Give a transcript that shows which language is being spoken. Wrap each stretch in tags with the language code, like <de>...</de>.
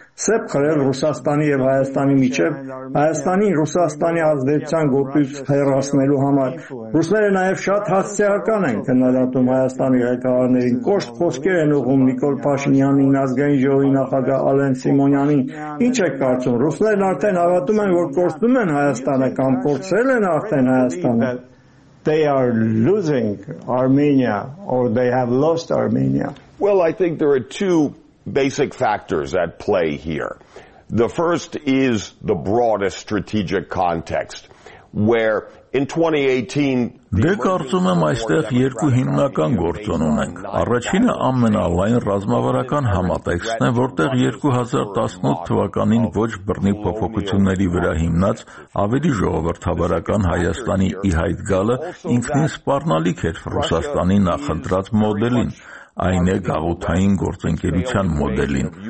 <hy>սեպ խրել Ռուսաստանի եւ Հայաստանի միջեւ, Հայաստանի Ռուսաստանի ազդեցության գոտուց հեռացնելու համար։ Ռուսները նաեւ շատ հասարակական են քննադատում Հայաստանի ղեկավարներին, կոշտ խոսքեր են ուղում Նիկոլ Փաշինյանին, ազգային ժողովի նախագահ Ալեն Սիմոնյանին։ Ինչ եք կարծում, ռուսներն արդեն հավատում են, որ կորցնում են Հայաստանը կամ կորցրել են արդեն Հայաստանը?</hy> <en>They are losing Armenia or they have lost Armenia? Well, I think there are two basic factors at play here. The first is the broadest strategic context, where in 2018</en> <hy>Դե կարծում եմ այստեղ երկու հիմնական գործոն ունենք։ Առաջինը ամենալայն ռազմավարական համատեքստն է, որտեղ 2018 թվականին ոչ բռնի փոփոխությունների վրա հիմնած ավելի ժողովրդավարական Հայաստանի իհայտ գալը ինքնին սպառնալիք էր Ռուսաստանի նախընտրած մոդելին, այն է գաղութային գործընկերության մոդելին։</hy>